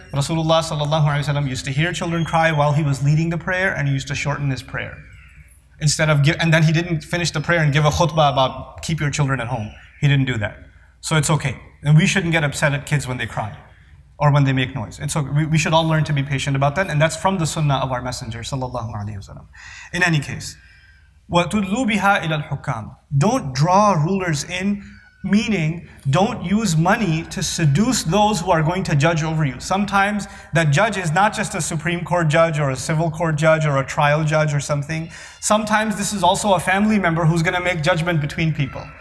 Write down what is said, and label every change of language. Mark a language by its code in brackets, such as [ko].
[en] Rasulullah sallallahu alaihi wasallam used to hear children cry while he was leading the prayer, and he used to shorten his prayer. And then he didn't finish the prayer and give a khutbah about keep your children at home. He didn't do that. So it's okay. And we shouldn't get upset at kids when they cry or when they make noise. And so we should all learn to be patient about that. And that's from the sunnah of our messenger sallallahu alaihi wasallam. In any case, [ar] وَتُدْلُوا بِهَا إِلَى الْحُكَّامِ. [en] Don't draw rulers in, meaning don't use money to seduce those who are going to judge over you. Sometimes that judge is not just a Supreme Court judge or a civil court judge or a trial judge or something. Sometimes this is also a family member who's going to make judgment between people.